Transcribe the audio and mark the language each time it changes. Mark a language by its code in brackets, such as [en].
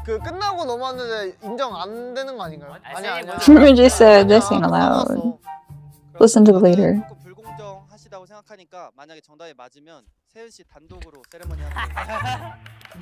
[ko] 그 끝나고 넘어왔는데 인정 안 되는 거 아닌가요? 아니야. [en] Rudy said this ain't allowed. Listen to the leader. [ko] 불공정하시다고 생각하니까 만약에 정답이 맞으면 세현 씨 단독으로 세레머니 하는 거.